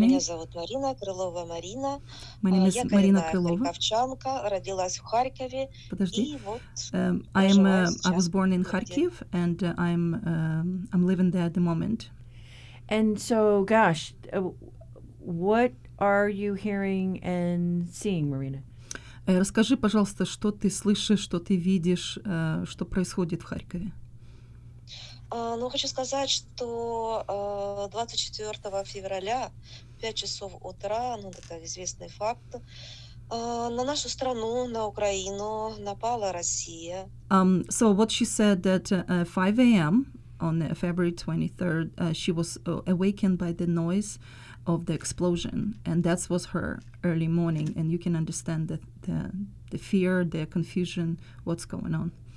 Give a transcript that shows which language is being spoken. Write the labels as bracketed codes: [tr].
[ru] Меня зовут Марина Крылова Марина. [en] My name is Марина Крылова. [ru] Харьковчанка, родилась в Харькове. Подожди. [en] I was born in Kharkiv, and I'm living there at the moment. And so, gosh, what are you hearing and seeing, Marina? [ru] Расскажи, пожалуйста, что ты слышишь, что ты видишь, что происходит в Харькове. Ну, хочу сказать, что 24 февраля, 5 часов утра, ну, это известный факт, на нашу страну, на Украину напала Россия. [en] So what she said that 5 a.m. on February 23rd, she was awakened by the noise of the explosion, and that was her early morning, and you can understand the fear, the confusion, what's going on.